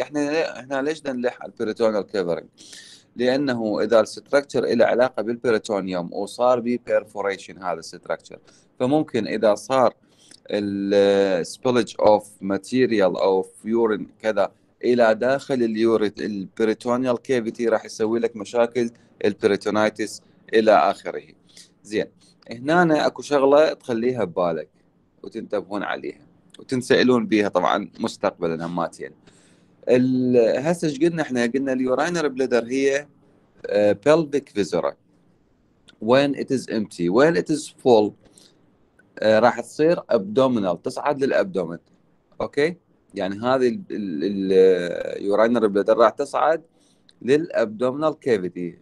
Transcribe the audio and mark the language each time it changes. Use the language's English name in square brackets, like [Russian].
[Arabic] احنا هنا ليش نلح على البريتونيال كفرنج؟ لانه اذا الستركتشر له علاقه بالبريتونيوم وصار بي بيرفوريشن هذا الستركتشر، فممكن اذا صار [English] spillage of material of urine [Arabic] كذا الى داخل اليوريت البريتونيال كافيتي راح يسوي لك مشاكل البريتونيتس الى اخره. زين هنا اكو شغله تخليها ببالك وتنتبهون عليها وتنسالون بيها طبعا مستقبلا هماتين. هسه ايش قلنا؟ احنا قلنا اليورينر بلدر هي pelvic visera. [English] When it is empty, when it is full [Arabic] راح تصير ابدومينال، تصعد للابدومين. اوكي يعني هذه اليورينر بلدر راح تصعد للابدومينال كافيتي.